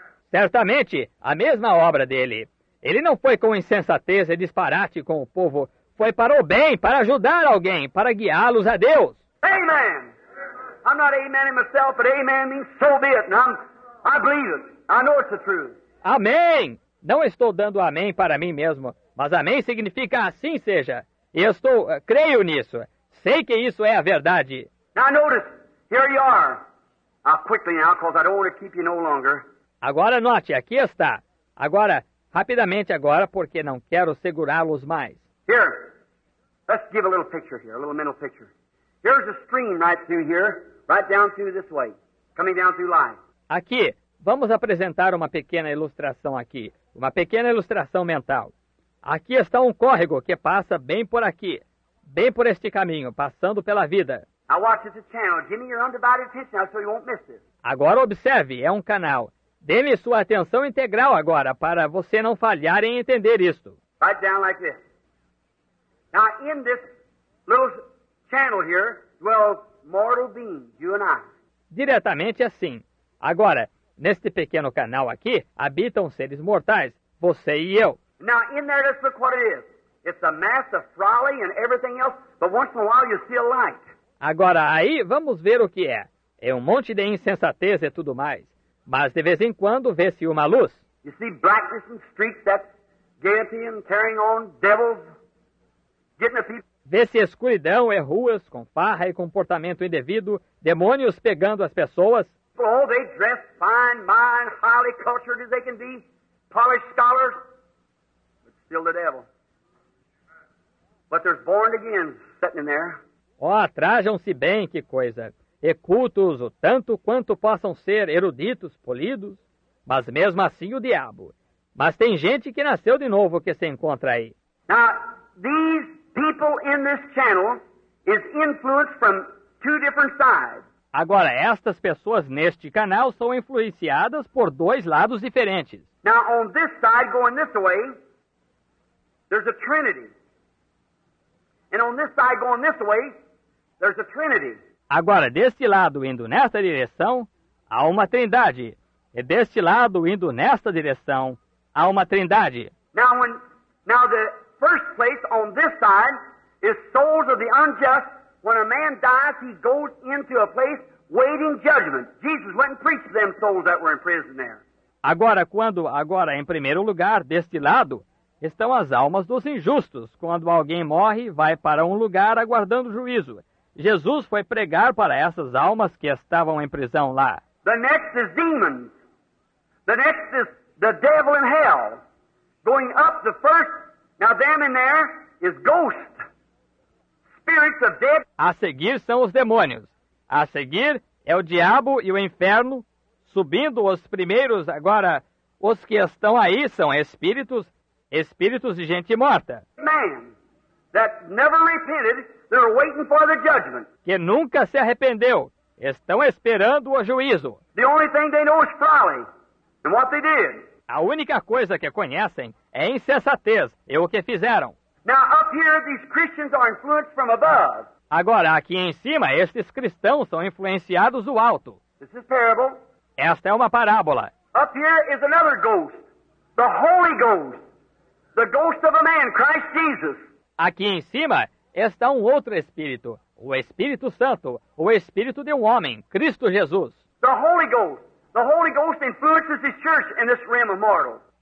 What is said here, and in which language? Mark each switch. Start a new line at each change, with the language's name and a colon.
Portuguese: Certamente, a mesma obra dele. Ele não foi com insensatez e disparate com o povo. Foi para o bem, para ajudar alguém, para guiá-los a Deus.
English: Amen. I'm not amen in myself, but amen means so be it. And I believe it. I know it's the truth.
Portuguese: Amém. Não estou dando amém para mim mesmo, mas amém significa assim seja. E estou, creio nisso. Sei que isso é a verdade.
English: Now notice, here you are. I'll quickly now, because I don't want to keep you no longer.
Portuguese: Agora note, aqui está. Agora, rapidamente agora, porque não quero segurá-los mais.
English: Here, let's give a little picture here, a little mental picture. Here's a stream right through here, right down through this way, coming down through life.
Portuguese: Aqui, vamos apresentar uma pequena ilustração aqui, uma pequena ilustração mental. Aqui está um córrego que passa bem por aqui, bem por este caminho, passando pela vida.
English: Now watch this channel. Give me your undivided attention now, so you won't miss this.
Portuguese: Agora observe, é um canal. Dê-me sua atenção integral agora, para você não falhar em entender isto.
English: Right down like this. Now, in this little channel here, dwell mortal beings, you and I.
Portuguese: Diretamente assim. Agora, neste pequeno canal aqui, habitam seres mortais, você e eu.
English: Now, in there, let's look what it is. It's a mass of frolic and everything else, but once in a while you see a light.
Portuguese: Agora, aí, vamos ver o que é. É um monte de insensatez e tudo mais. Mas, de vez em quando, vê-se uma luz.
English: You see blackness and streets, that's gaiety and carrying on, devils.
Portuguese: Vê-se escuridão e ruas com farra e comportamento indevido, demônios pegando as pessoas.
English: Oh, they dress fine, mind, highly cultured as they can be, polished scholars, but still the devil. But they're born again, sitting in there.
Portuguese: Oh, trajam-se bem, que coisa. E cultos o tanto quanto possam ser eruditos, polidos, mas mesmo assim o diabo. Mas tem gente que nasceu de novo que se encontra aí.
English: Now, these people in this channel is influenced from two different sides.
Portuguese: Agora, estas pessoas neste canal são influenciadas por dois lados diferentes.
English: Now, on this side, going this way, there's a trinity. And on this side, going this way, there's a trinity.
Portuguese: Agora, deste lado, indo nesta direção, há uma trindade. E deste lado, indo nesta direção, há uma trindade.
English: Now, the first place on this side is souls of the unjust. When a man dies, he goes into a place waiting judgment. Jesus went and preached to them souls that were in prison there.
Portuguese: Agora, em primeiro lugar, deste lado, estão as almas dos injustos. Quando alguém morre, vai para um lugar aguardando juízo. Jesus foi pregar para essas almas que estavam em prisão lá.
English: The next is demons. The next is the devil in hell. Going up the first. Now, them in there is ghosts, spirits of dead.
Portuguese: A seguir são os demônios. A seguir é o diabo e o inferno, subindo os primeiros. Agora, os que estão aí são espíritos de gente morta.
English: Man, that never repented, they're waiting for the judgment.
Portuguese: Que nunca se arrependeu, estão esperando o juízo.
English: The only thing they know is folly and what they did.
Portuguese: A única coisa que conhecem é insensatez e o que fizeram.
English: Now, up here, these Christians are influenced from above.
Portuguese: Agora, aqui em cima, estes cristãos são influenciados do alto.
English: This is parable.
Portuguese: Esta é uma parábola.
English: Up here is another ghost, the Holy Ghost, the ghost of a man, Christ Jesus.
Portuguese: Aqui em cima está um outro espírito, o Espírito Santo, o espírito de um homem, Cristo Jesus.
English: The Holy Ghost. The Holy Ghost influences his church in this realm of mortals.